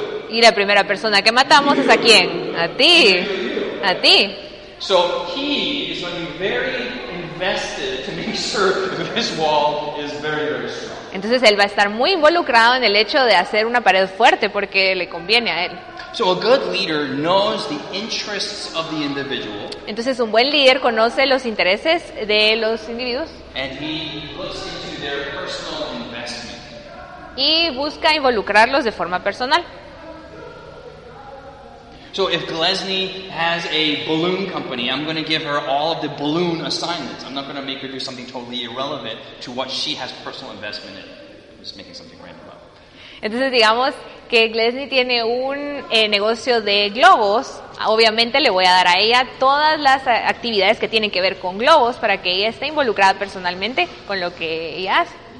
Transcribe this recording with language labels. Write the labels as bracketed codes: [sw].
[es] Y la primera persona que matamos es a quién? A ti. A ti. [en] So he is going to be very invested to make sure that this wall is very, very strong. [es] Entonces él va a estar muy involucrado en el hecho de hacer una pared fuerte porque le conviene a él. [en] So a good leader knows the interests of the individual. [es] Entonces un buen líder conoce los intereses de los individuos. [en] And he looks into their personal investment. [es] Y busca involucrarlos de forma personal. [en] So if Glesny has a balloon company, I'm going to give her all of the balloon assignments. I'm not going to make her do something totally irrelevant to what she has personal investment in. I'm just making something random up. [es] Entonces digamos que Glesny tiene un negocio de globos. Obviamente le voy a dar a ella todas las actividades que tienen que ver con globos para que ella esté involucrada personalmente con lo que ella hace.